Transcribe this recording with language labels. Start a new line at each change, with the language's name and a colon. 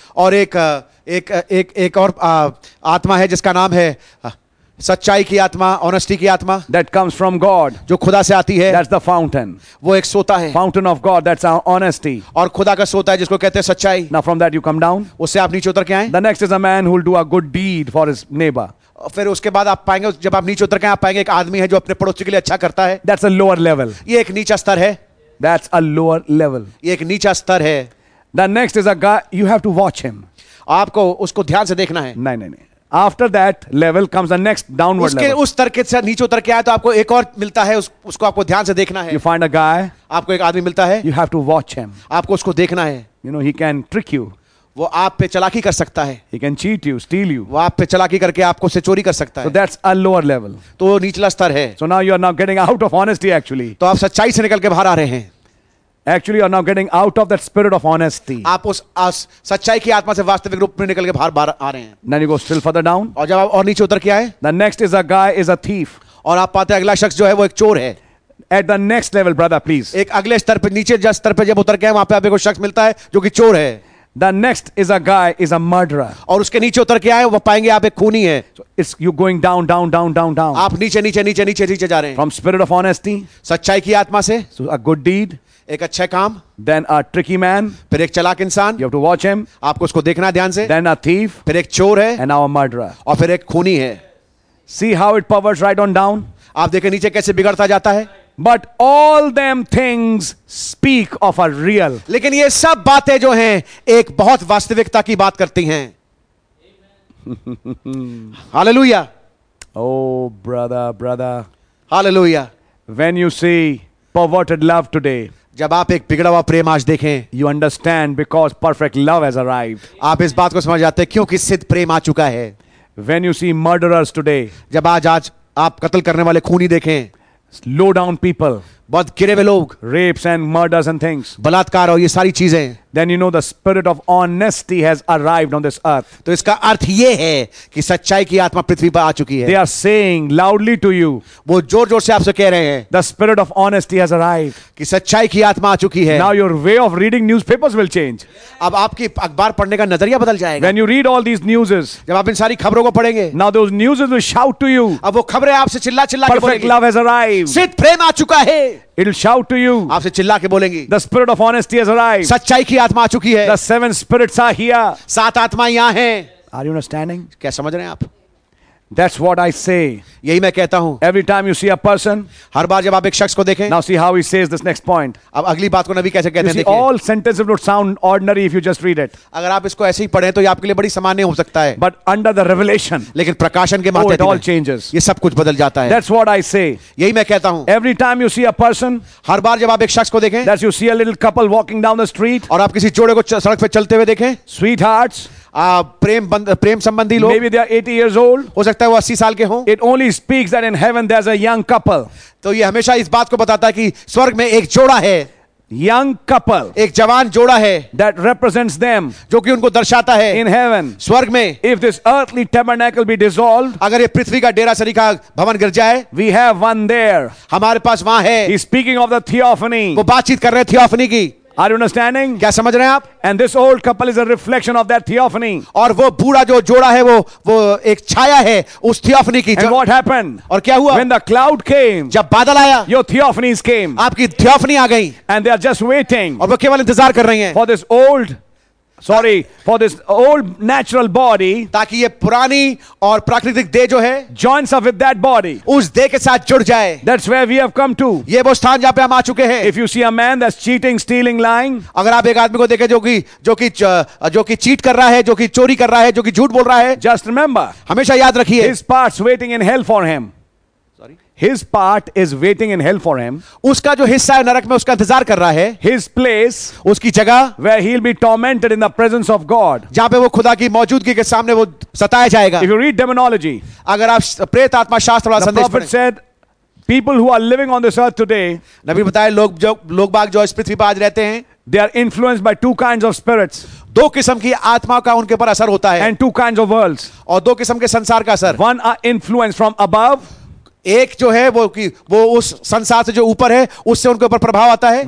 Hindi: और एक एक एक एक और आत्मा है जिसका नाम है सच्चाई की आत्मा, honesty की आत्मा.
English: That comes from God.
Hindi: जो खुदा से आती है.
English: That's the fountain.
Hindi: वो एक सोता है.
English: Fountain of God. That's our honesty.
Hindi: और खुदा का सोता है जिसको कहते हैं सच्चाई.
English: Now from that you come down.
Hindi: उससे आप नीचे उतर के आएं.
English: The next is a man who will do a good deed for his neighbor.
Hindi: फिर उसके बाद आप पाएंगे, जब आप नीचे उतर के आप पाएंगे, एक आदमी है जो अपने पड़ोसी के लिए अच्छा करता है.
English: That's a lower level.
Hindi: ये एक नीचा स्तर है.
English: That's a lower level.
Hindi: ये एक नीचा स्तर है.
English: The next is a guy, you have to watch him.
Hindi: आपको उसको ध्यान से देखना है. नहीं नहीं नहीं.
English: After that level comes the next downward level.
Hindi: उसके उस तरके से नीचे उतर के आया तो आपको एक और मिलता है, उसको आपको ध्यान से देखना है.
English: You find a guy.
Hindi: आपको एक आदमी मिलता है.
English: You have to watch him.
Hindi: आपको उसको देखना है.
English: You know he can trick you.
Hindi: वो आप पे चलाकी कर सकता है.
English: He can cheat you, steal you.
Hindi: वो आप पे चलाकी करके आपको से चोरी कर सकता है.
English: So that's a lower level.
Hindi: तो वो निचला स्तर है.
English: So now you are now getting out of honesty actually.
Hindi: तो आप सच्चाई से निकल के बाहर आ रहे हैं.
English: Actually you are now getting out of that spirit of honesty.
Hindi: आप उस सच्चाई की आत्मा से वास्तविक रूप में निकल के बाहर आ रहे हैं.
English: Then you go still further down.
Hindi: और जब आप और नीचे उतर के आए.
English: The next is a guy is a thief.
Hindi: और आप पाते हैं अगला शख्स जो है वो एक चोर है.
English: At the next level brother please.
Hindi: एक अगले स्तर पे, नीचे जिस स्तर पे जब उतर के आए, वहां पे आपको शख्स मिलता है जो कि चोर है.
English: The next is a guy is a murderer.
Hindi: और उसके नीचे उतर के आए वो पाएंगे आप एक खूनी है.
English: So it's you going down, down, down, down, down.
Hindi: आप नीचे नीचे नीचे नीचे नीचे जा रहे हैं.
English: From spirit of honesty.
Hindi: सच्चाई की आत्मा से.
English: So a good deed.
Hindi: एक अच्छे काम.
English: Then a tricky man.
Hindi: फिर एक चलाक इंसान.
English: You have to watch him.
Hindi: आपको उसको देखना ध्यान से.
English: Then a thief.
Hindi: फिर एक चोर है.
English: And now a murderer.
Hindi: और फिर एक खूनी है.
English: See how it powers right on down.
Hindi: आप देखें नीचे कैसे बिगड़ता जाता है.
English: But all them things speak of a real.
Hindi: लेकिन ये सब बातें जो हैं एक बहुत वास्तविकता की बात करती हैं.
English: Hallelujah. Oh brother, brother. Hallelujah. When you see perverted love today.
Hindi: जब आप एक बिगड़ा हुआ प्रेम आज देखें.
English: You understand because perfect love has arrived.
Hindi: आप इस बात को समझ जाते हैं क्योंकि सिद्ध प्रेम आ चुका है.
English: When you see murderers today.
Hindi: जब आज आप कत्ल करने वाले खूनी देखें.
English: Low down people,
Hindi: बहुत गिरे हुए लोग,
English: rapes and murders and things,
Hindi: बलात्कार और ये सारी चीजें.
English: Then you know the spirit of honesty has arrived on this earth.
Hindi: तो इसका अर्थ ये है कि सच्चाई की आत्मा पृथ्वी पर आ चुकी है.
English: They are saying loudly to you,
Hindi: वो जोर जोर से आपसे कह रहे हैं,
English: the spirit of honesty has arrived,
Hindi: कि सच्चाई की आत्मा आ चुकी है.
English: Now your way of reading newspapers will change.
Hindi: अब आपकी अखबार पढ़ने का नजरिया बदल जाएगा.
English: When you read all these newses,
Hindi: जब आप इन सारी खबरों को पढ़ेंगे,
English: now those newses will shout to you,
Hindi: अब वो खबरें आपसे चिल्ला चिल्ला के बोलेंगी,
English: perfect love has arrived,
Hindi: सिद्ध प्रेम आ चुका है.
English: It'll shout to you.
Hindi: आपसे चिल्ला के बोलेंगी.
English: The spirit of honesty has arrived.
Hindi: सच्चाई की आत्मा आ चुकी है.
English: The seven spirits are here.
Hindi: सात आत्माएं यहाँ हैं.
English: Are you understanding?
Hindi: क्या समझ रहे हैं आप?
English: That's what I say.
Hindi: यही मैं कहता हूँ.
English: Every time you see a person.
Hindi: हर बार जब आप एक शख्स को देखें.
English: Now see how he says this next point.
Hindi: अब अगली बात को नबी कैसे कहते हैं.
English: All sentences would sound ordinary if you just read it.
Hindi: अगर आप इसको ऐसे ही पढ़ें तो ये आपके लिए बड़ी सामान्य हो सकता है.
English: But under the revelation.
Hindi: लेकिन प्रकाशन के माध्यम से.
English: It all changes.
Hindi: ये सब कुछ बदल जाता है.
English: That's what I say.
Hindi: यही मैं कहता हूँ.
English: Every time you see a person.
Hindi: हर बार जब आप एक शख्स को देखें.
English: That you see a little couple walking down the street.
Hindi: और आप किसी जोड़े को सड़क पर चलते हुए देखें.
English: Sweethearts.
Hindi: प्रेम संबंधी लोग.
English: Maybe they are 80 years old.
Hindi: हो सकता है वो 80 साल के हों.
English: It only speaks that in heaven there's a young couple.
Hindi: तो ये हमेशा इस बात को बताता है कि स्वर्ग में एक जोड़ा है.
English: Young couple.
Hindi: एक जवान जोड़ा है.
English: That represents them.
Hindi: जो कि उनको दर्शाता है.
English: In heaven.
Hindi: स्वर्ग में.
English: If this earthly tabernacle be dissolved.
Hindi: अगर ये पृथ्वी का डेरा सरीखा भवन गिर जाए.
English: We have one there.
Hindi: हमारे पास वहाँ है.
English: He's speaking of the theophany.
Hindi: वो बातचीत कर रहे हैं थियोफनी की.
English: Are you understanding?
Hindi: क्या समझ रहे हैं आप?
English: And this old couple is a reflection of that theophany.
Hindi: और वो बूढ़ा जो जोड़ा है वो एक छाया है उस theophany की.
English: And what happened?
Hindi: और क्या हुआ?
English: When the cloud came.
Hindi: जब बादल आया.
English: Your theophanies came.
Hindi: आपकी theophany आ गई.
English: And they are just waiting.
Hindi: और वो केवल इंतजार कर रहे हैं.
English: For this old, sorry, for this old natural body.
Hindi: ताकि ये पुरानी और प्राकृतिक देह जो है.
English: Joins up with that body.
Hindi: उस देह के साथ जुड़ जाए.
English: That's where we have come to.
Hindi: ये वो स्थान जहाँ पे हम आ चुके हैं.
English: If you see a man that's cheating, stealing, lying.
Hindi: अगर आप एक आदमी को देखें जो कि चीट कर रहा है, जो कि चोरी कर रहा है, जो कि झूठ बोल रहा है.
English: Just remember.
Hindi: हमेशा याद रखिए.
English: His part's waiting in hell for him. His part is waiting in hell for him.
Hindi: उसका जो हिस्सा है नरक में उसका इंतजार कर रहा है.
English: His place,
Hindi: उसकी जगह,
English: where he'll be tormented in the presence of God.
Hindi: जहाँ पे वो खुदा की मौजूदगी के सामने वो सताया जाएगा.
English: If you read demonology,
Hindi: अगर आप प्रेत आत्मा शास्त्र वाला संदेश पढ़ें,
English: the prophet said, People who are living on this earth today,
Hindi: Nabi bataye log bag jo is prithvi par aaj rehte hain,
English: they are influenced by two kinds of spirits.
Hindi: Do kisam ki atmao ka unke par asar hota hai.
English: And two kinds of worlds.
Hindi: Aur do kisam ke sansar ka asar.
English: One are influenced from above.
Hindi: एक जो है वो कि वो उस संसार से जो ऊपर है उससे उनके ऊपर प्रभाव आता है.